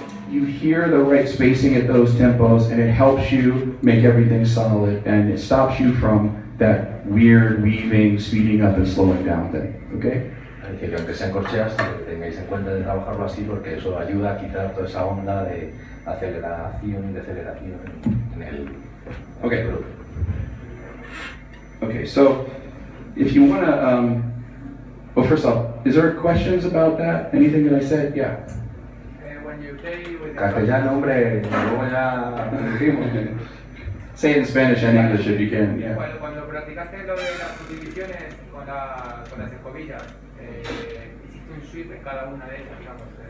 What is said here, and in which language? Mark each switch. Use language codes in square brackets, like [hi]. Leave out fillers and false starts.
[en] You hear the right spacing at those tempos, and it helps you make everything solid, and it stops you from that weird weaving, speeding up and slowing down thing. Okay? [es] Dice que aunque sean corcheas, tengáis en cuenta de trabajarlo así, porque eso ayuda a quitar toda esa onda de aceleración y deceleración en el. [en] Okay. Okay, so if you want to, well, first off, is there questions about that? Anything that I said? Yeah. When you play with [es] castellano, hombre, luego ya. [en] Say in Spanish and English if you can. Yeah. [es] Cuando practicaste lo de las subdivisiones con las escobillas, hiciste un sweep en cada una de ellas, digamos.